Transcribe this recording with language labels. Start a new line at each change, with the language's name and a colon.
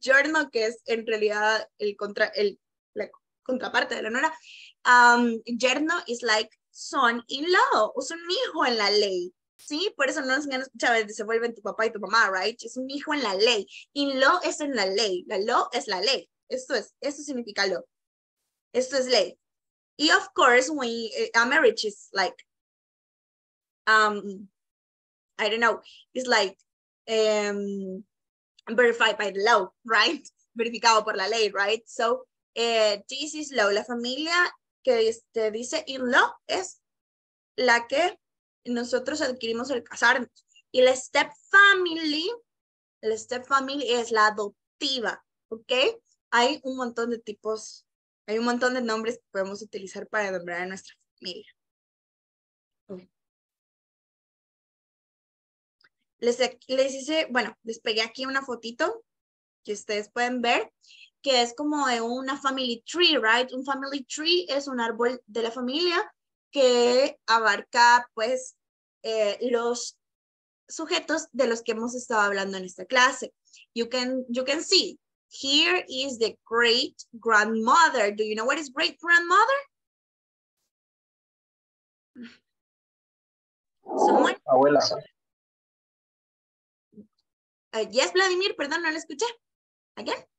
Spanish: Yerno, que es en realidad la contraparte de la nuera. Yerno
English: is like son-in-law,
Spanish: es un hijo en la ley, ¿sí? Por eso no nos han escuchado, se vuelven tu papá y tu mamá, right? Es un hijo en la ley. In-law es en la ley, la law es la ley. Esto significa law. Esto es ley.
English: Y of course, a marriage is like, I don't know, it's like verified by the law, right?
Spanish: Verificado por la ley,
English: right? So, this is law.
Spanish: La familia que te dice in law es la que nosotros adquirimos al casarnos. Y la step family es la adoptiva, ¿ok? Hay un montón de tipos, hay un montón de nombres que podemos utilizar para nombrar a nuestra familia. Les hice, bueno, les pegué aquí una fotito que ustedes pueden ver, que es como de una family tree, right? Un family tree es un árbol de la familia que abarca, pues, los sujetos de los que hemos estado hablando en esta clase.
English: You can see, here is the great grandmother. Do you know what is great grandmother?
Spanish: Abuela. Yes, Vladimir, perdón, no la escuché. Again.